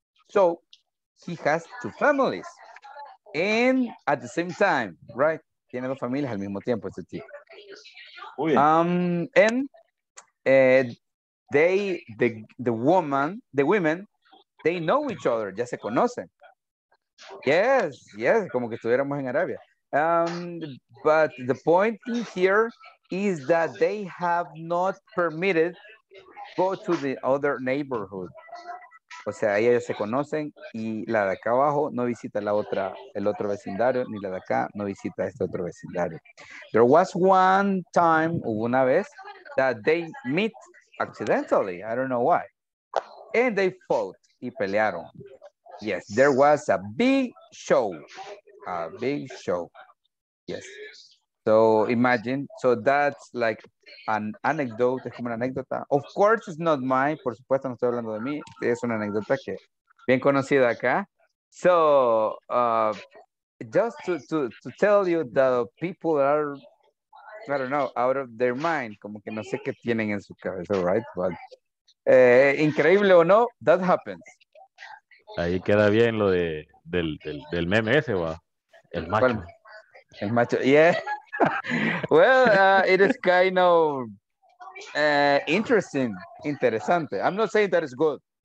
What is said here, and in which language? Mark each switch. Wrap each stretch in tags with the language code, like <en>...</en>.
<en>So he has two families, and at the same time, right?</en> <es>Tiene dos familias al mismo tiempo este tipo.</es> <en>And the women, they know each other.</en> <es>Ya se conocen.</es> <en>Yes,</en> <es>como que estuviéramos en Arabia.</es> <en>But the point in here is that they have not permitted go to the other neighborhood.</en> <es>O sea, ellos se conocen y la de acá abajo no visita la otra, el otro vecindario, ni la de acá no visita este otro vecindario.</es> <en>There was one time,</en> <es>hubo una vez,</es> <en>that they meet accidentally, I don't know why, and they fought</en> <es>y pelearon.</es> <en>Yes, there was a big show. A big show. Yes. So imagine. So that's like an anecdote.</en> <es>Es como una anécdota.</es> <en>Of course, it's not mine.</en> <es>Por supuesto, no estoy hablando de mí. Es una anécdota que bien conocida acá.</es> <en>So just to tell you that people are, I don't know, out of their mind.</en> <es>Como que no sé qué tienen en su cabeza, right?</es> <en>But</en> <es>increíble o no,</es> <en>that happens.</en> <es>Ahí queda bien lo de del meme ese, va. El macho. Bueno,</es> <en>el macho, yeah. Well, it is kind of interesting. Interesante. I'm not saying that it's good.</en>